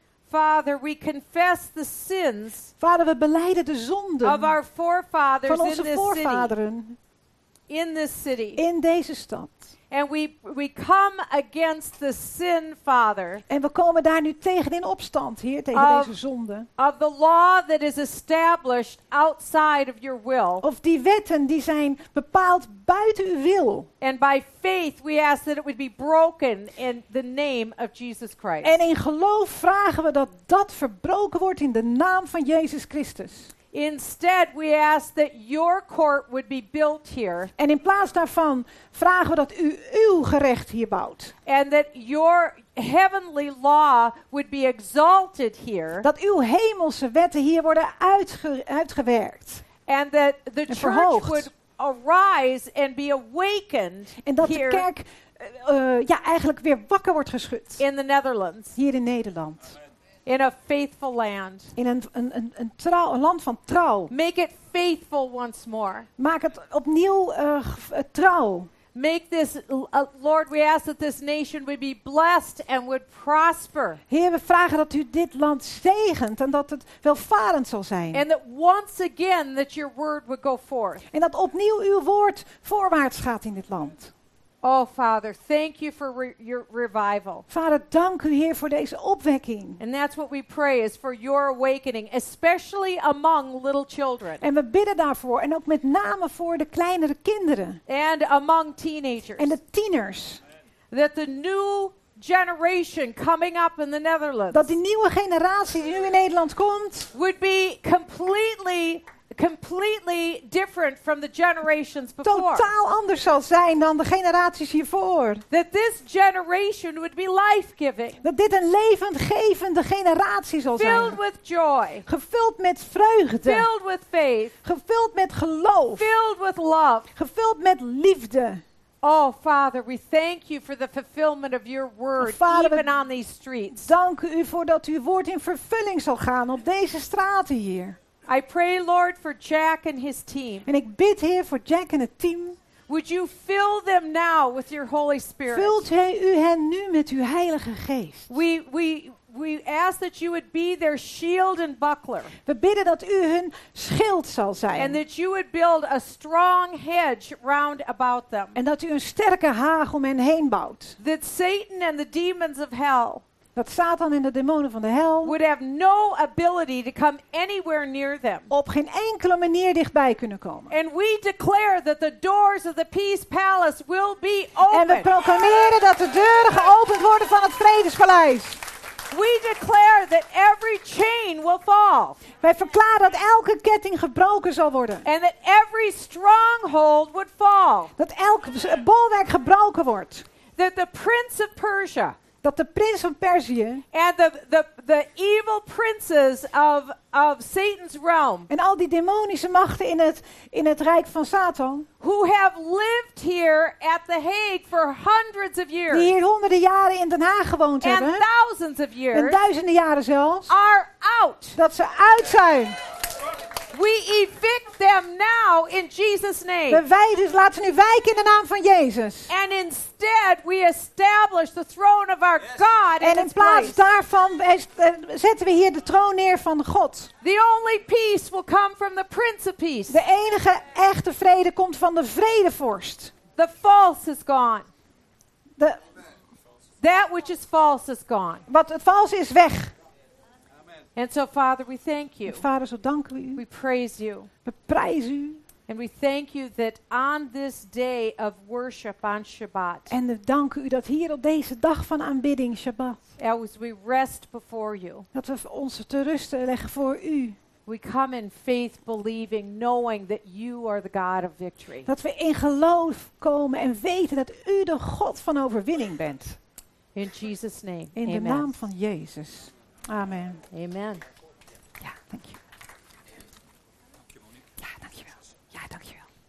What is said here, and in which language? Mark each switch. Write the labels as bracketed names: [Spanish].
[English] Father, we confess the sins. [Dutch] Vader, we beleiden de zonden. [English] Of our forefathers [Dutch] van onze voorvaderen. [English] In this city. [Dutch] In deze stad. [English] And we come against the sin, Father. [Dutch] En we komen daar nu tegen in opstand, Heer, tegen deze zonde. [English] Of the law that is established outside of your will. [Dutch] Of die wetten die zijn bepaald buiten uw wil. [English] And by faith we ask that it would be broken in the name of Jesus Christ. [Dutch] En in geloof vragen we dat dat verbroken wordt in de naam van Jezus Christus. [English] Instead, we ask that your court would be built here. [Dutch] En in plaats daarvan vragen we dat u uw gerecht hier bouwt. [English] And that your heavenly law would be exalted here. [Dutch] Dat uw hemelse wetten hier worden uitgewerkt. [English] And that the church would arise and be awakened. [Dutch] En dat [English] here [Dutch] de kerk eigenlijk weer wakker wordt geschud. [English] In the Netherlands. [Dutch] Hier in Nederland. [English] In a faithful land. [Dutch] In een trouw, een land van trouw. [English] Make it faithful once more. [Dutch] Maak het opnieuw trouw. [English] Make this, Lord, we ask that this nation would be blessed and would prosper. [Dutch] Heer, we vragen dat u dit land zegent en dat het welvarend zal zijn. [English] And that once again that your word would go forth. [Dutch] En dat opnieuw uw woord voorwaarts gaat in dit land. [English] Oh Father, thank you for your revival. [Dutch] Vader, dank u Heer voor deze opwekking. [English] And that's what we pray is for your awakening, especially among little children. [Dutch] En we bidden daarvoor en ook met name voor de kleinere kinderen. [English] And among teenagers. [Dutch] En de tieners. [English] That the new generation coming up in the Netherlands. [Dutch] Dat die nieuwe generatie die nu in Nederland komt, [English] would be completely different from the generations before. [Dutch] Totaal anders zal zijn dan de generaties hiervoor. [English] That this generation would be life-giving. [Dutch] Dat dit een levendgevende generatie zal [English] filled [Dutch] zijn. [English] Filled with joy. [Dutch] Gevuld met vreugde. [English] Filled with faith. [Dutch] Gevuld met geloof. [English] Filled with love. [Dutch] Gevuld met liefde. [English] Oh Father, we thank you for the fulfillment of your word, [Dutch] Vader, [English] even on these streets. [Dutch] Dank u voor dat uw woord in vervulling zal gaan op deze straten hier. [English] I pray, Lord, for Jack and his team. [Dutch] En ik bid Heer voor Jack en het team. [English] Would you fill them now with your Holy Spirit? [Dutch] Vult u hen nu met uw Heilige Geest. [English] We ask that you would be their shield and buckler. [Dutch] We bidden dat u hun schild zal zijn. [English] And that you would build a strong hedge round about them. [Dutch] En dat u een sterke haag om hen heen bouwt. [English] That Satan and the demons of hell. [Dutch] Dat Satan en de demonen van de hel. [English] Would have no ability to come anywhere near them. [Dutch] Op geen enkele manier dichtbij kunnen komen. [English] And we declare that the doors of the peace palace will be open. [Dutch] En we proclameren dat de deuren geopend worden van het vredespaleis. [English] We declare that every chain will fall. [Dutch] Wij verklaren dat elke ketting gebroken zal worden. [English] And that every stronghold would fall. [Dutch] Dat elk bolwerk gebroken wordt. [English] That the prince of Persia. [Dutch] Dat de prins van Perzië. [English] And the evil princes of Satan's realm. [Dutch] En al die demonische machten in het rijk van Satan. [English] Who have lived here at The Hague for hundreds of years. [Dutch] Die hier honderden jaren in Den Haag gewoond [English] and [Dutch] hebben. [English] Thousands of years. [Dutch] En duizenden jaren zelfs. [English] Are out. [Dutch] Dat ze uit zijn. [English] We evict them now in Jesus' name. [Dutch] Laten nu wijken in de naam van Jezus. [English] And instead we establish the throne of our God in its place. [Dutch] En in plaats daarvan zetten we hier de troon neer van God. [English] The only peace will come from the Prince of Peace. [Dutch] De enige echte vrede komt van de vredevorst. [English] The false is gone. The that which is false is gone. [Dutch] Wat het valse is weg. [English] And so, Father, we thank you. [Dutch] Vader, zo danken we u. [English] We praise you. [Dutch] We prijzen u. [English] And we thank you that on this day of worship on Shabbat. [Dutch] En we danken u dat hier op deze dag van aanbidding, Shabbat. [English] As we rest before you. [Dutch] Dat we ons te rusten leggen voor u. [English] We come in faith believing, knowing that you are the God of victory. [Dutch] Dat we in geloof komen en weten dat u de God van overwinning bent. [English] In Jesus' name. In Amen. [Dutch] De naam van Jezus. Amen. Amen. Ja, dank je. Ja, dank je wel. Ja, dank je wel.